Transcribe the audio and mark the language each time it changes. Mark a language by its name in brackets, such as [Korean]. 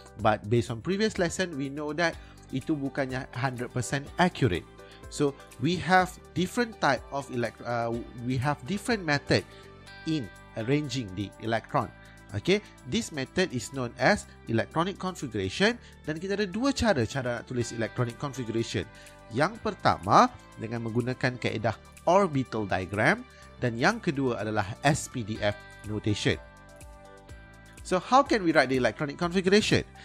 [English] But based on previous lesson, we know that [Malay] itu bukannya [English] 100% accurate. So, we have different type of different method in arranging the electron. Okay, this method is known as electronic configuration. [Malay] Dan kita ada 2 cara nak tulis electronic configuration. Yang pertama dengan menggunakan kaedah orbital diagram dan yang kedua adalah SPDF notation. [English] So, how can we write the electronic configuration?